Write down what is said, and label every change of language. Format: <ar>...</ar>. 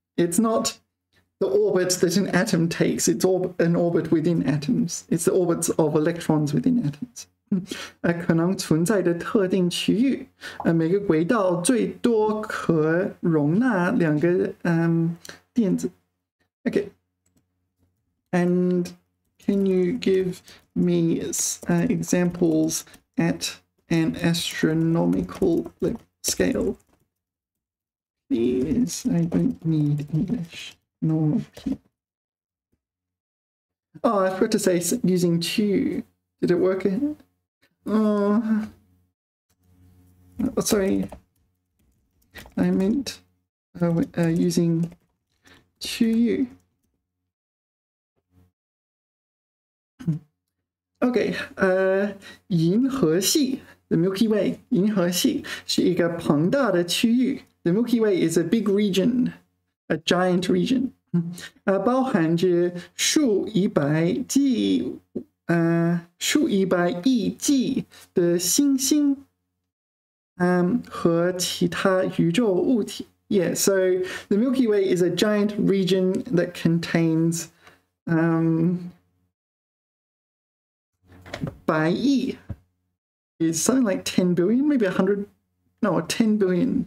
<en>It's not the orbit that an atom takes, it's an orbit within atoms. It's the orbits of electrons within atoms.</en> <zh>可能存在的特定区域, 每个轨道最多可容纳两个 电子.</zh> <en>Okay. And can you give me examples at an astronomical scale? Please, I don't need English. Normal. Oh, I forgot to say using to. Did it work? Oh, sorry. I meant using to you.</en> <zh>Okay. 银河系.The Milky Way, 银河系是一个庞大的区域。</zh> <en>The Milky Way is a big region, a giant region.</en> <zh>包含着数以百亿计的星星和其他宇宙物体。</zh> <en>Yeah, so the Milky Way is a giant region that contains, 百亿 is something like 10 billion, maybe 100, no, 10 billion.</en>